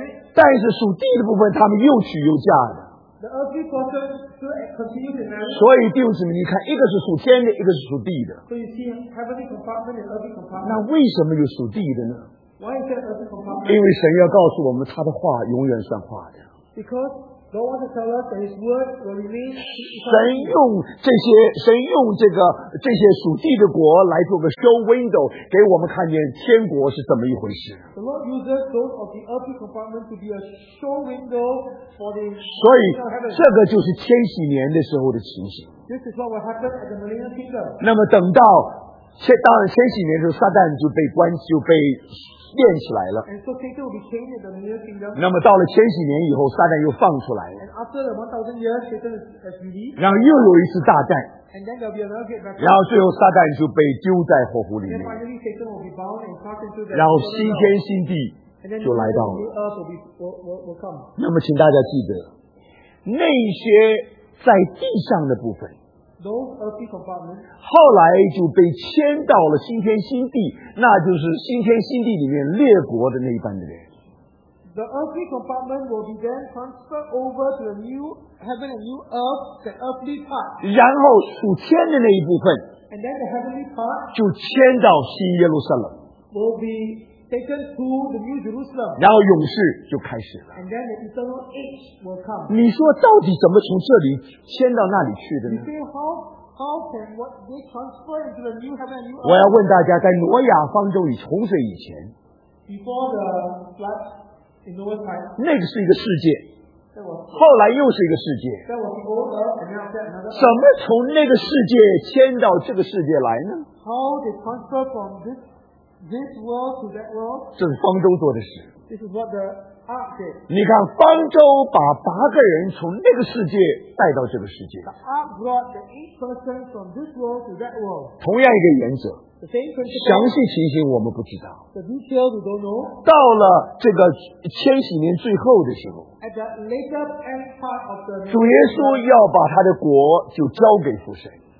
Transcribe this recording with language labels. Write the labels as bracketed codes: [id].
[zh] 但是属地的部分他们又娶又嫁的。 [en] The earthly portion still continues in marriage. [zh] 所以弟兄姊妹你看一个是属天的一个是属地的。 [en] So you see heavenly compartment and earthly compartment. [zh] 那为什么有属地的呢 [en] Why is that earthly compartment? [zh] 因为神要告诉我们他的话永远算话的。 [en] Because God wants to tell us that His word will remain. [zh] 神用这些属地的国来做个 [en] show window， [zh] 给我们看见天国是怎么一回事。 [en] The Lord uses those of the earthly compartment to be a show window for the. [zh] 所以这个就是千禧年的时候的情形。 [en] This is what will happen at the millennial kingdom. [zh] 那么等到先当千禧年的时候，撒旦就被关就被炼起来了。 [en] And so Satan will be chained in the millennial kingdom. [zh] 那么到了千禧年以后，撒旦又放出来了。 [en] And after the 1,000 years, Satan is released. [zh] 然后又有一次大战。 [en] And then there'll be another great battle. [zh] 然后最后撒旦就被丢在火湖里面。 [en] And finally, Satan will be bound and cast into the. [zh] 然后新天新地就来到了。 [en] And then the new earth will come. [zh] 那么请大家记得，那些在地上的部分。 [en] Those earthly compartments, [zh] 后来就被迁到了新天新地，那就是新天新地里面列国的那一班的人。 [en] The earthly compartment will be then transferred over to the new heaven and new earth, the earthly part. [zh] 然后属天的那一部分， [en] and then the heavenly part, [zh] 就迁到新耶路撒冷， [en] will be taken to the new Jerusalem. [zh] 然后勇士就开始了。 [en] And then the eternal age will come. [zh] 你说到底怎么从这里迁到那里去的呢？ [en] You say how can what they transfer into the new heaven and new earth? [zh] 我要问大家，在挪亚方舟里洪水以前， [en] before the flood in Noah's time, [zh] 那个是一个世界，后来又是一个世界，怎么从那个世界迁到这个世界来呢？ [en] How they transfer from this world to that world? [zh] 这是方舟做的事。 [en] This is what the ark did. [zh] 你看，方舟把八个人从那个世界带到这个世界。 [en] The ark brought the eight persons from this world to that world. [zh] 同样一个原则。详细情形我们不知道。 [en] The details we don't know. [zh] 到了这个千禧年最后的时候， [en] at the later end part of the [zh] 主耶稣要把他的国就交给父神。